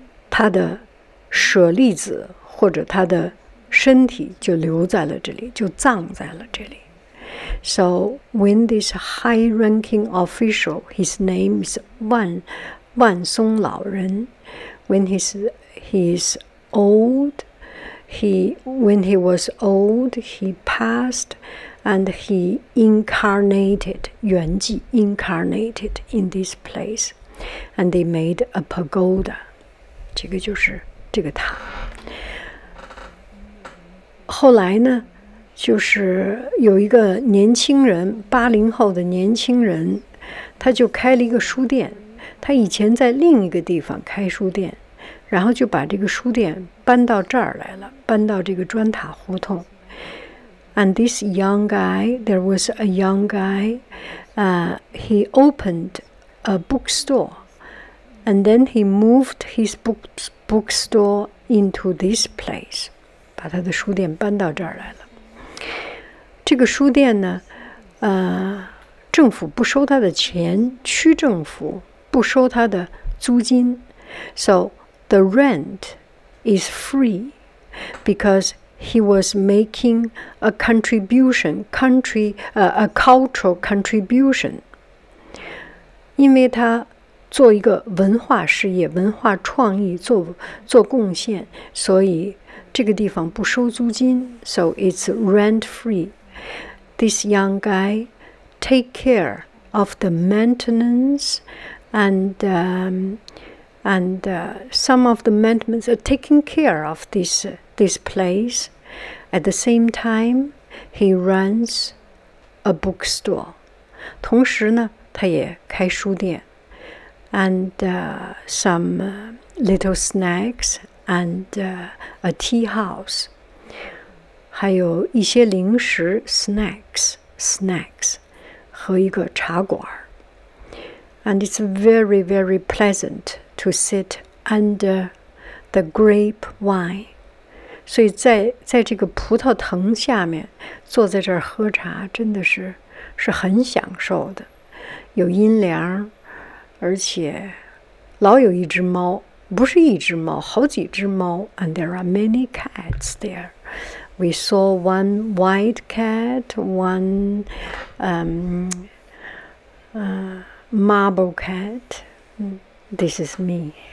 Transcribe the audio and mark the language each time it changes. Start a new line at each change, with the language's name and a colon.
Chinese: 他的舍利子或者他的身体就留在了这里，就葬在了这里。
English: So when this high-ranking official, his name is 万松老人, when he was old, he passed, and he incarnated in this place, and they made a pagoda.
Chinese: 这个就是这个塔。后来呢，就是有一个年轻人，80后的年轻人，他就开了一个书店。他以前在另一个地方开书店。然后就把这个书店搬到这儿来了，搬到这个砖塔胡同。
English: And this young guy, there was a young guy, he opened a bookstore, and then he moved his bookstore into this place,
Chinese: 把他的书店搬到这儿来了。这个书店呢，政府不收他的钱，区政府不收他的租金，so。
English: The rent is free because he was making a cultural contribution.
Chinese: 因为他做一个文化事业、文化创意做贡献，所以这个地方不收租金。
English: So it's rent free. This young guy take care of the maintenance and some of the maintenance are taking care of this place. At the same time, he runs a bookstore.
Chinese: 同时呢，他也开书店。
English: And some little snacks and a tea house.
Chinese: 还有一些零食 snacks 和一个茶馆。
English: And it's very, very pleasant. To sit under the the grape wine.
Chinese: 所以在这个葡萄藤下面坐在这儿喝茶真的是很享受的。有阴凉，而且老有一只猫，不是一只猫，好几只猫。
English: And there are many cats there. We saw one white cat, one marble cat. This is me.